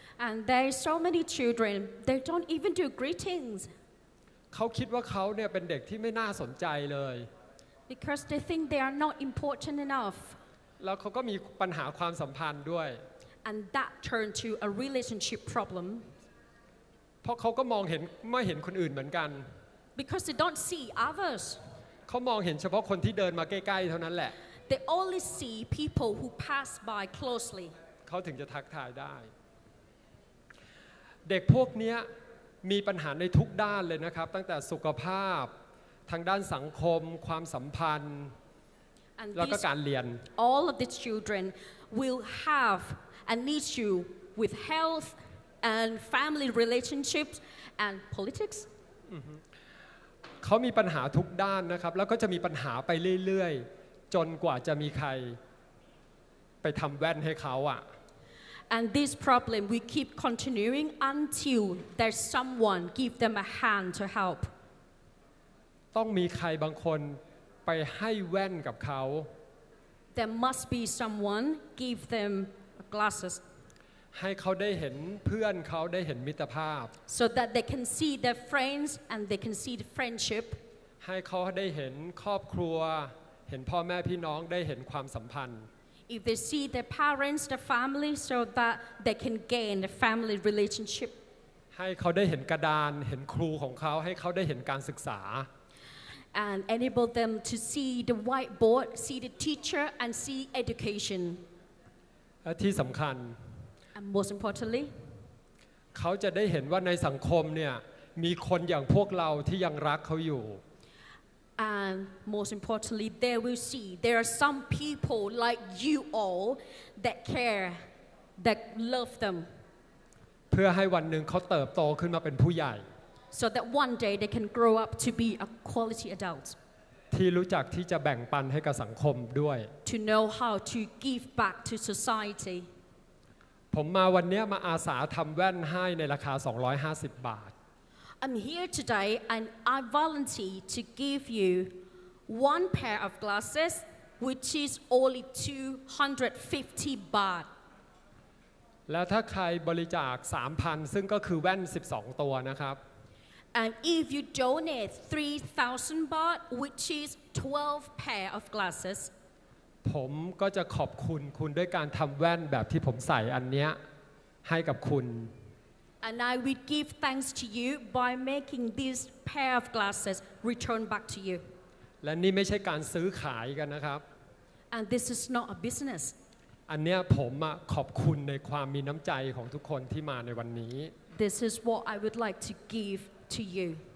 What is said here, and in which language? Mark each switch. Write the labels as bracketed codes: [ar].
[en] And there are so many children they don't even do greetings [th] เขาคิดว่าเขาเนี่ยเป็นเด็กที่ไม่น่าสนใจเลย [en] Because they think they are not important enough [th] แล้วเขาก็มีปัญหาความสัมพันธ์ด้วย [en] And that turned to a relationship problem [th] เพราะเขาก็มองเห็นไม่เห็นคนอื่นเหมือนกัน [en] Because they don't see others [th] เขามองเห็นเฉพาะคนที่เดินมาใกล้ๆเท่านั้นแหละ [en] They only see people who pass by closely. [th] เขาถึงจะทักทายได้เด็กพวกนี้มีปัญหาในทุกด้านเลยนะครับตั้งแต่สุขภาพทางด้านสังคมความสัมพันธ์แล้วก็การเรียน [en] All of these children will have an issue with health and family relationships and politics. [th] เขามีปัญหาทุกด้านนะครับแล้วก็จะมีปัญหาไปเรื่อยๆจนกว่าจะมีใครไปทำแว่นให้เขาอะ [en] And this problem we keep continuing until there's someone give them a hand to help [th] ต้องมีใครบางคนไปให้แว่นกับเขา [en] There must be someone give them glasses [th] ให้เขาได้เห็นเพื่อนเขาได้เห็นมิตรภาพ [en] So that they can see their friends and they can see the friendship [th] ให้เขาได้เห็นครอบครัวเห็นพ่อแม่พี่น้องได้เห็นความสัมพันธ์ [en] If they see their parents, their family, so that they can gain the family relationship [th] ให้เขาได้เห็นกระดานเห็นครูของเขาให้เขาได้เห็นการศึกษา [en] And enable them to see the whiteboard, see the teacher, and see education [th] และที่สำคัญ [en] And most importantly [th] เขาจะได้เห็นว่าในสังคมเนี่ยมีคนอย่างพวกเราที่ยังรักเขาอยู่ [en] And most importantly, they will see there are some people like you all that care, that love them. [th] เพื่อให้วันหนึ่งเขาเติบโตขึ้นมาเป็นผู้ใหญ่ [en] So that one day they can grow up to be a quality adult. [th] ที่รู้จักที่จะแบ่งปันให้กับสังคมด้วย [en] To know how to give back to society [th] ผมมาวันนี้มาอาสาทำแว่นให้ในราคา250บาท [en] I'm here today and I volunteer to give you one pair of glasses which is only 250 บาท [th] แล้วถ้าใครบริจาค 3,000 ซึ่งก็คือแว่น12ตัวนะครับ [en] And if you donate 3,000 baht which is 12 pair of glasses [th] ผมก็จะขอบคุณคุณด้วยการทำแว่นแบบที่ผมใส่อันเนี้ยให้กับคุณ [en] And I will give thanks to you by making this pair of glasses return back to you [th] และนี่ไม่ใช่การซื้อขายกันนะครับ [en] And this is not a business [th] อันเนี้ยผมขอบคุณในความมีน้ำใจของทุกคนที่มาในวันนี้ [en] This is what I would like to give to you